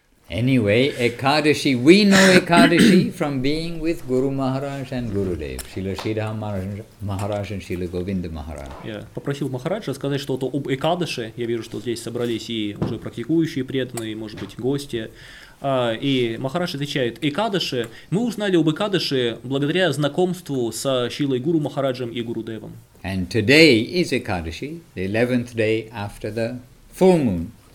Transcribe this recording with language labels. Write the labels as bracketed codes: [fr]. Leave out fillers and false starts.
[en] Anyway, Ekadashi, we know Ekadashi from being with Guru Maharaj and Gurudev, Srila Sridhar Maharaj and Srila Govinda Maharaj. Yeah. [ru] Попросил Махараджа сказать что-то об Экадаше. Я вижу, что здесь собрались и уже практикующие преданные, может быть, гости. И Махарадж отвечает, Экадаше, мы узнали об Экадаше благодаря знакомству со Шилой Гуру Махараджем и Гуру Девом. [en] And today is Ekadashi, the 11th day after the full moon.